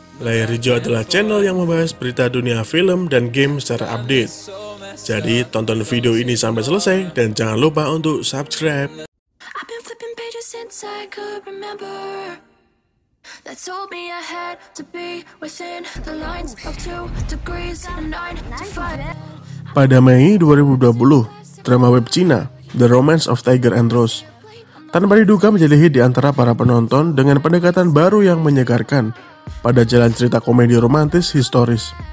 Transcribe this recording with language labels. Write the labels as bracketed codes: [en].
[id] Layar Hijau adalah channel yang membahas berita dunia film dan game secara update. Jadi, tonton video ini sampai selesai dan jangan lupa untuk subscribe. [en] I've been flipping pages since I could remember. That told me I had to be within the lines of 2 degrees and 9 to 5. [id] Pada Mei 2020, drama web Cina, The Romance of Tiger and Rose, tanpa diduga menjadi hit di antara para penonton dengan pendekatan baru yang menyegarkan pada jalan cerita komedi romantis historis.